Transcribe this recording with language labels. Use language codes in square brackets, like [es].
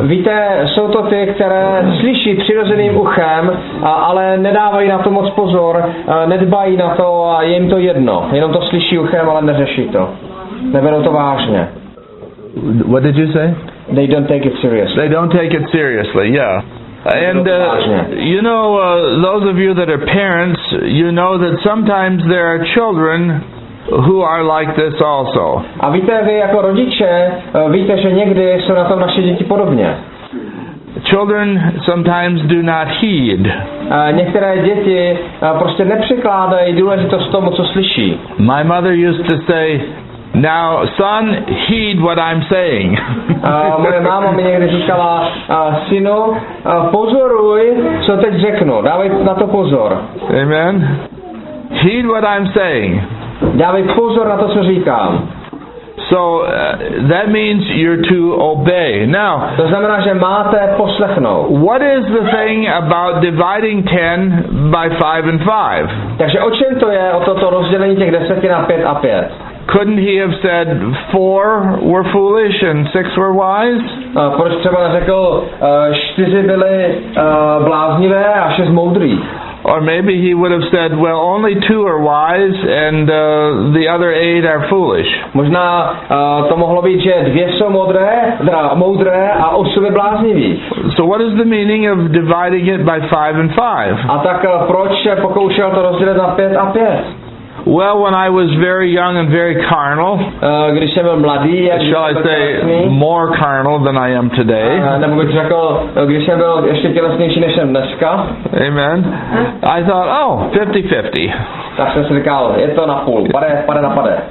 [cs] Víte, jsou to ty, které slyší přirozeným uchem, ale nedávají na to moc pozor, nedbají na to a je jim to jedno. Jenom to slyší uchem, ale neřeší to. Neberou to vážně. [en] What did you say? They don't take it seriously. They don't take it seriously, yeah. And, you know, those of you that are parents, you know that sometimes there are children who are like this also. [cs] A víte, vy jako rodiče, víte, že někdy jsou na tom naše děti podobně. [en] Children sometimes do not heed. [cs] Některé děti prostě nepřikládají důležitost tomu, co slyší. [en] My mother used to say, "Now, son, heed what I'm saying." [cs] Moje máma mi někdy říkala, synu, pozoruj, co teď řeknu. Dávej na to pozor. [en] Amen. Heed what I'm saying. [cs] Dávej pozor na to, co říkám. [en] So that means you're to obey. Now, [cs] to znamená, že máte poslechnout. [en] What is the thing about dividing 10 by 5 and 5? [cs] Takže o čem to je, o toto rozdělení těch deseti na 5 a 5? [en] Couldn't he have said 4 were foolish and 6 were wise? [cs] Proč třeba řekl 4 byly bláznivé a 6 moudrý? [en] Or maybe he would have said, well, only 2 are wise and the other 8 are foolish. [cs] Možná to mohlo být, že 2 jsou modré, teda moudré a 8 je bláznivý. [en] So what is the meaning of dividing it by 5 and 5? [cs] A tak proč pokoušel to rozdělit na 5 a 5? [en] Well, when I was very young and very carnal, [cs] když jsem byl mladý, [en] shall I say more carnal than I am today? [cs] Nebo bych řekl, když jsem byl ještě tělesnější, než jsem dneska. [en] Amen. I thought, oh, 50-50. [cs] Tak jsem si říkal, je to na půl, pade na pade.